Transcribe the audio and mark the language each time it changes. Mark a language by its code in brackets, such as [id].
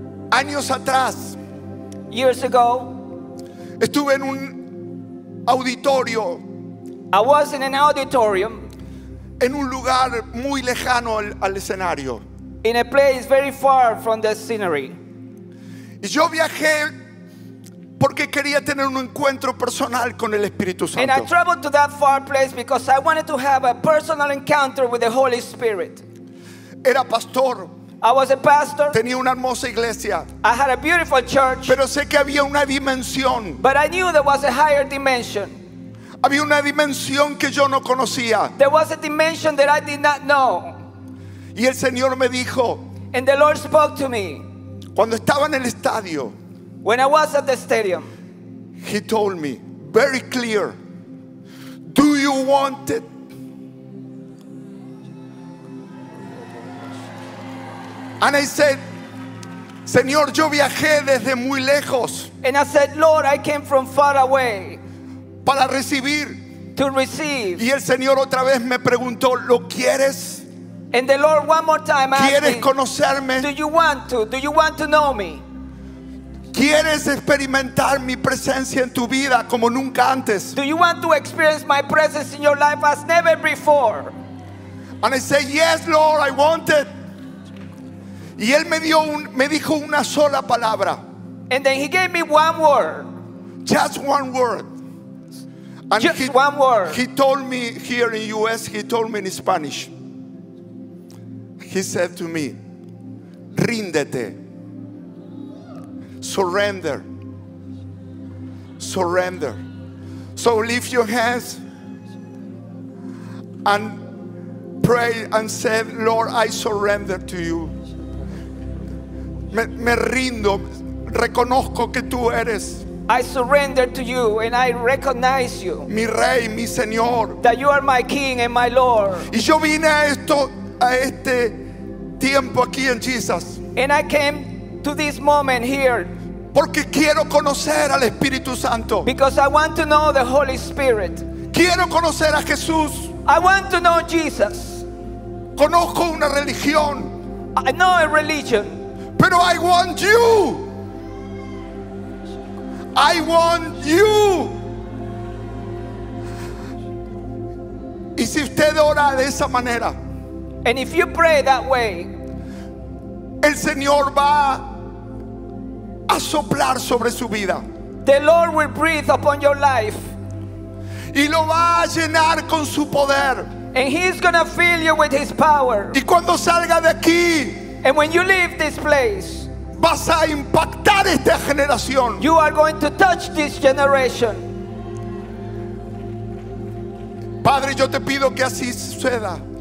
[es] Años atrás, [en] years ago, [es] estuve en un auditorio. [en] I was in an auditorium. [es] En un lugar muy lejano al escenario. [en] In a place very far from the scenery. [es] Y yo viajé porque quería tener un encuentro personal con el Espíritu Santo. [en] And I traveled to that far place because I wanted to have a personal encounter with the Holy Spirit. [es] Era pastor. [en] I was a pastor. [es] Tenía una hermosa iglesia. [en] I had a beautiful church. [es] Pero sé que había una dimensión. [en] But I knew there was a higher dimension. [es] Había una dimensión que yo no conocía. [en] There was a dimension that I did not know. [es] Y el Señor me dijo. [en] And the Lord spoke to me. [es] Cuando estaba en el estadio. [en] When I was at the stadium. He told me very clear. Do you want it? And I said, [es] Señor, yo viajé desde muy lejos. [en] And I said, Lord, I came from far away. [es] Para recibir. [en] To receive. [es] Y el Señor otra vez me preguntó, ¿lo quieres? [en] And the Lord one more time asked [es] ¿quieres conocerme? [en] Do you want to? Do you want to know me? [es] ¿Quieres experimentar mi presencia en tu vida como nunca antes? [en] Do you want to experience my presence in your life as never before? And I said, yes, Lord, I want it. [es] Y él me dijo una sola palabra. [en] And then he gave me one word. Just one word. And just one word. He told me here in US, he told me in Spanish. He said to me, ríndete. Surrender. Surrender. So lift your hands and pray and say, Lord, I surrender to you. [es] Me rindo, reconozco que tú eres. [en] I surrender to you and I recognize you. [es] Mi rey, mi señor. [en] That you are my king and my lord. [es] Y yo vine a este tiempo aquí en Jesus. [en] And I came to this moment here. [es] Porque quiero conocer al Espíritu Santo. [en] Because I want to know the Holy Spirit. [es] Quiero conocer a Jesús. [en] I want to know Jesus. [es] Conozco una religión. [en] I know a religion. Pero I want you. I want you. [es] Y si usted ora de esa manera. [en] And if you pray that way. [es] El Señor va a soplar sobre su vida. [en] The Lord will breathe upon your life. [es] Y lo va a llenar con su poder. [en] And he's gonna fill you with his power. [es] Y cuando salga de aquí. [en] And when you leave this place. [es] Vas a impactar esta generación. [en] You are going to touch this generation. [es] Padre, yo te pido que así suceda.